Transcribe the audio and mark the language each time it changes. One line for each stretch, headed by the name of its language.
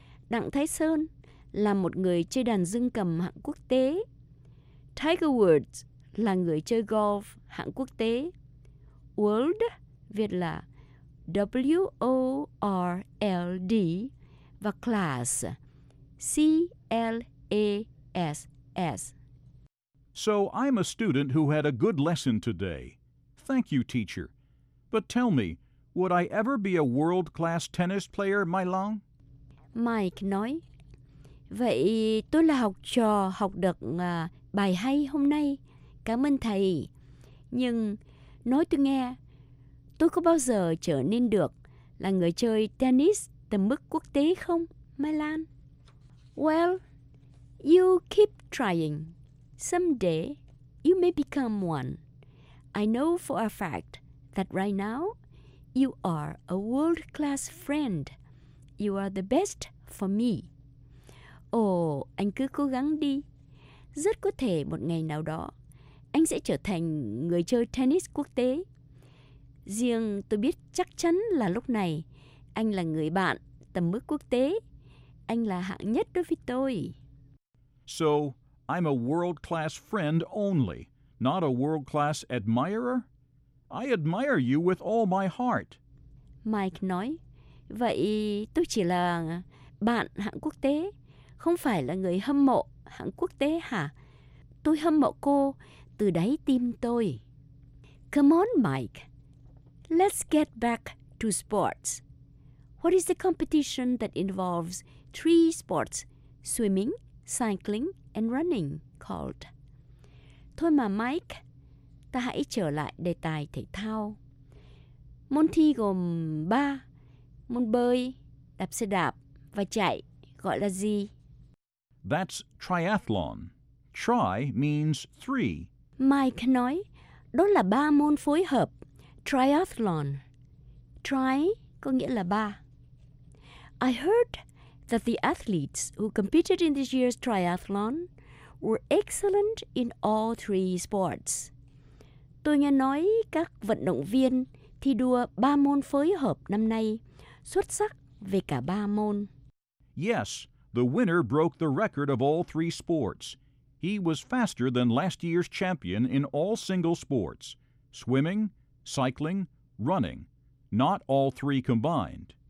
Vietnamese: Đặng Thái Sơn là một người chơi đàn dương cầm hạng quốc tế. Tiger Woods là người chơi golf hạng quốc tế. World viết là WORLD và class CLASS.
English: So I'm a student who had a good lesson today. Thank you, teacher. But tell me, would I ever be a world-class tennis player, Mai Lan?
Vietnamese: Mike nói, vậy tôi là học trò học được bài hay hôm nay. Cảm ơn thầy. Nhưng nói tôi nghe, tôi có bao giờ trở nên được là người chơi tennis tầm mức quốc tế không, Mai Lan?
English: Well, you keep trying. Someday, you may become one. I know for a fact that right now, you are a world-class friend. You are the best for me.
Vietnamese: Oh, anh cứ cố gắng đi. Rất có thể một ngày nào đó, anh sẽ trở thành người chơi tennis quốc tế. Riêng tôi biết chắc chắn là lúc này, anh là người bạn tầm mức quốc tế. Anh là hạng nhất đối với tôi.
English: So, I'm a world-class friend only, not a world-class admirer? I admire you with all my heart.
Vietnamese: Mike nói, vậy tôi chỉ là bạn hạng quốc tế, không phải là người hâm mộ hạng quốc tế hả? Tôi hâm mộ cô từ đáy tim tôi.
English: Come on, Mike. Let's get back to sports. What is the competition that involves three sports, swimming, cycling, and running, called?
Vietnamese: Thôi mà Mike, ta hãy trở lại đề tài thể thao. Môn thi gồm ba, môn bơi, đạp xe đạp và chạy, gọi là gì?
English: That's triathlon. Tri means three.
Vietnamese: Mike nói, đó là ba môn phối hợp, triathlon. Tri có nghĩa là ba.
English: I heard that the athletes who competed in this year's triathlon were excellent in all three sports.
Vietnamese: Tôi nghe nói các vận động viên thi đua ba môn phối hợp năm nay xuất sắc về cả ba môn.
English: Yes, the winner broke the record of all three sports. He was faster than last year's champion in all single sports, swimming, cycling, running, not all three combined.